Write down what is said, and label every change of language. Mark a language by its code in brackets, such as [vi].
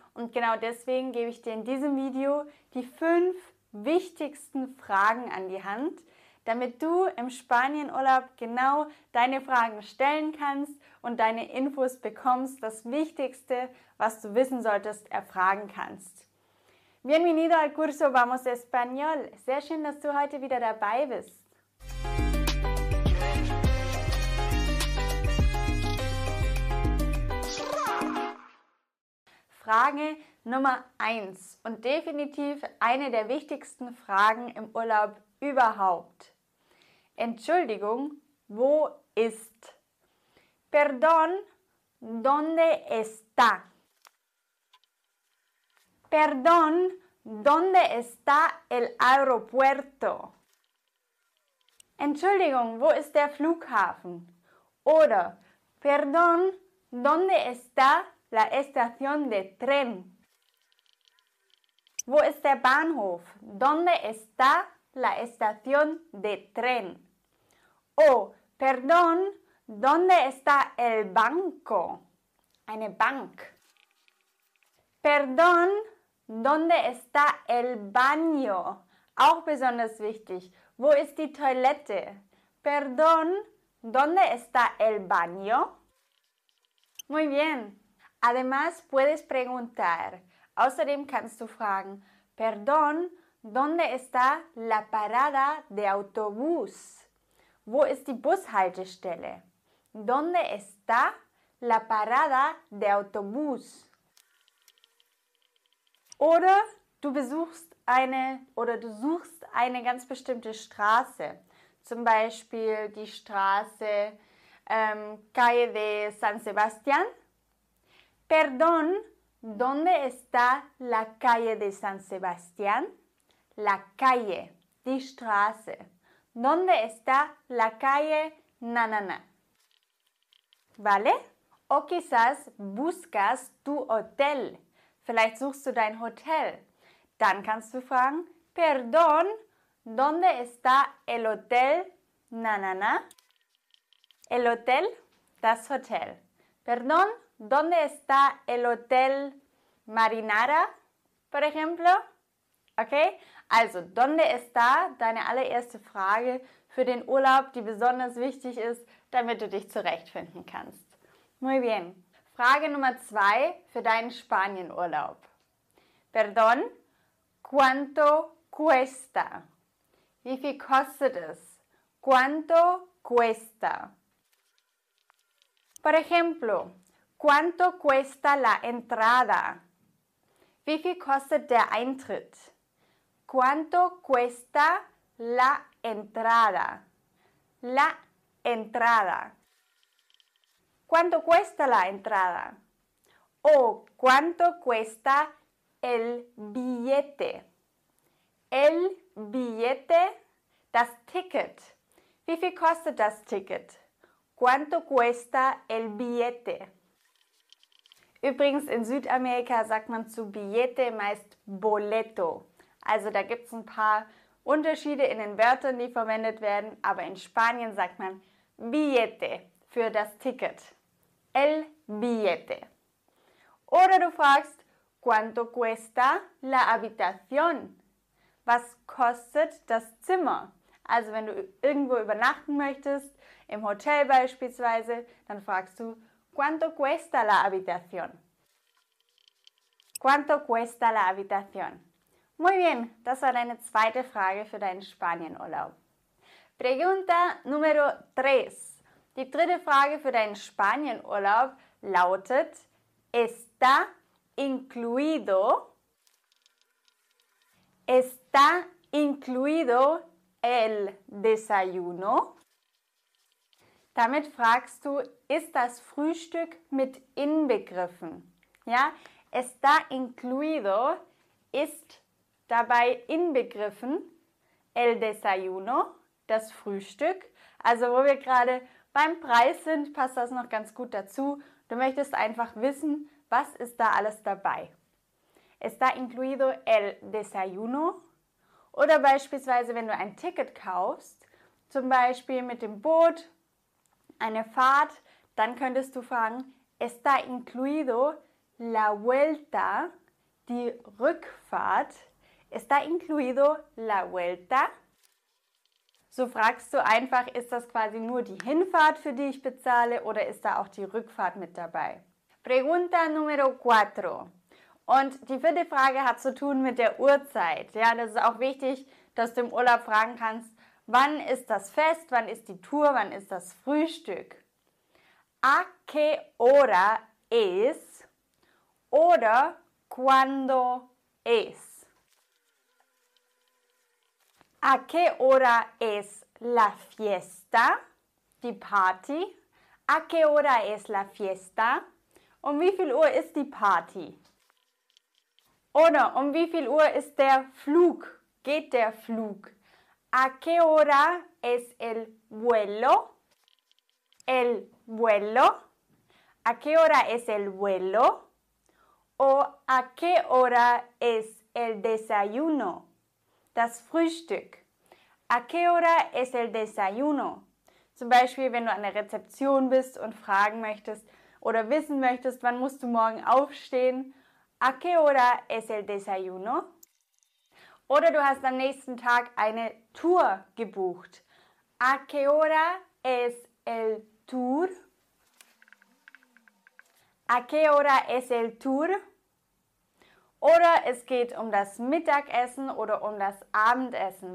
[de] Und genau deswegen gebe ich dir in diesem Video die 5 wichtigsten Fragen an die Hand, damit du im Spanienurlaub genau deine Fragen stellen kannst und deine Infos bekommst, das Wichtigste, was du wissen solltest, erfragen kannst. [es] Bienvenido al curso Vamos Español. [de] Sehr schön, dass du heute wieder dabei bist. Frage Nummer 1 und definitiv eine der wichtigsten Fragen im Urlaub überhaupt. Entschuldigung, wo ist? [es] Perdón, ¿dónde está? Perdón, ¿dónde está el aeropuerto? [de] Entschuldigung, wo ist der Flughafen? [es] Oder perdón, ¿dónde está la estación de tren? [de] Wo ist der Bahnhof? [es] ¿Dónde está la estación de tren? Oh, perdón, ¿dónde está el banco? [de] Eine Bank. [es] Perdón, ¿dónde está el baño? [de] Auch besonders wichtig. Wo ist die Toilette? [es] Perdón, ¿dónde está el baño? Muy bien. Además, puedes preguntar. [de] Außerdem kannst du fragen, [es] perdón, ¿dónde está la parada de autobús? [de] Wo ist die Bushaltestelle? [es] ¿Dónde está la parada de autobús? [de] Oder du suchst eine ganz bestimmte Straße. Zum Beispiel die Straße Calle de San Sebastián. [es] Perdón, ¿dónde está la Calle de San Sebastián? La Calle, [de] die Straße. [es] ¿Dónde está la Calle Nanana? ¿Vale? O quizás buscas tu hotel. [de] Vielleicht suchst du dein Hotel. Dann kannst du fragen, [es] perdón, ¿dónde está el hotel Nanana? El hotel, [de] das Hotel. [es] Perdón, ¿dónde está el hotel Marinara, por ejemplo? Okay, also, ¿dónde está? [de] Deine allererste Frage für den Urlaub, die besonders wichtig ist, damit du dich zurechtfinden kannst. [es] Muy bien. [de] Frage Nummer 2 für deinen Spanienurlaub. [es] Perdón, ¿cuánto cuesta? [de] Wie viel kostet es? [es] ¿Cuánto cuesta? Por ejemplo, ¿cuánto cuesta la entrada? [de] Wie viel kostet der Eintritt? [es] ¿Cuánto cuesta la entrada? La entrada. ¿Cuánto cuesta la entrada? O ¿cuánto cuesta el billete? El billete, [de] das Ticket. Wie viel kostet das Ticket? [es] ¿Cuánto cuesta el billete? [de] Übrigens, in Südamerika sagt man zu billete meist boleto. Also da gibt es ein paar Unterschiede in den Wörtern, die verwendet werden. Aber in Spanien sagt man billete für das Ticket. [es] El billete. [de] Oder du fragst, [es] ¿cuánto cuesta la habitación? [de] Was kostet das Zimmer? Also wenn du irgendwo übernachten möchtest, im Hotel beispielsweise, dann fragst du, [es] ¿Cuánto cuesta la habitación? ¿Cuánto cuesta la habitación? Muy bien, [de] das war deine zweite Frage für deinen Spanienurlaub. [es] Pregunta número tres. [de] Die dritte Frage für deinen Spanienurlaub lautet, [es] ¿Está incluido? ¿Está incluido el desayuno? [de] Damit fragst du, ist das Frühstück mit inbegriffen? Ja, [es] está incluido [de] ist dabei inbegriffen, [es] el desayuno, [de] das Frühstück. Also wo wir gerade beim Preis sind, passt das noch ganz gut dazu. Du möchtest einfach wissen, was ist da alles dabei? [es] Está incluido el desayuno? [de] Oder beispielsweise, wenn du ein Ticket kaufst, zum Beispiel mit dem Boot, eine Fahrt, dann könntest du fragen, [es] está incluido la vuelta, [de] die Rückfahrt? [es] Está incluido la vuelta? [de] So fragst du einfach, ist das quasi nur die Hinfahrt, für die ich bezahle, oder ist da auch die Rückfahrt mit dabei? [es] Pregunta número cuatro. [de] Und die vierte Frage hat zu tun mit der Uhrzeit. Ja, das ist auch wichtig, dass du im Urlaub fragen kannst, wann ist das Fest, wann ist die Tour, wann ist das Frühstück? [es] ¿A qué hora es? Oder ¿cuándo es? ¿A qué hora es la fiesta? [de] Die Party. [es] ¿A qué hora es la fiesta? [de] Um wie viel Uhr ist die Party? Oder um wie viel Uhr ist der Flug? Geht der Flug? [es] ¿A qué hora es el vuelo? El vuelo. ¿A qué hora es el vuelo? O ¿A qué hora es el desayuno? [de] Das Frühstück. [es] ¿A qué hora es el desayuno? [de] Zum Beispiel, wenn du an der Rezeption bist und fragen möchtest oder wissen möchtest, wann musst du morgen aufstehen? [es] ¿A qué hora es el desayuno? [de] Oder du hast am nächsten Tag eine Tour gebucht. [es] ¿A qué hora es el tour? ¿A qué hora es el tour? [de] Oder es geht um das Mittagessen oder um das Abendessen.